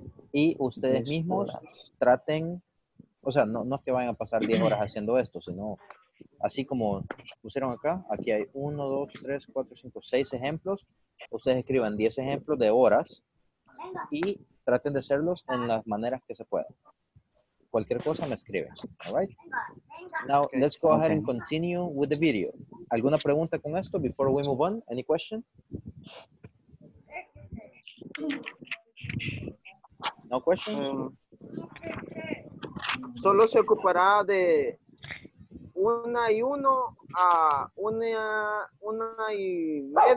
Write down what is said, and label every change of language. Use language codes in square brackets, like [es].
[es] Y ustedes mismos traten, o sea, no es que vayan a pasar 10 horas haciendo esto, sino así como pusieron acá, aquí hay 1, 2, 3, 4, 5, 6 ejemplos. Ustedes escriban 10 ejemplos de horas y traten de hacerlos en las maneras que se puedan. Cualquier cosa me escriben. [en] All right? Now, okay. Let's go ahead and continue with the video. [es] ¿Alguna pregunta con esto [en] before we move on? Any question? No question? [es] Solo se ocupará de una y uno a una y media.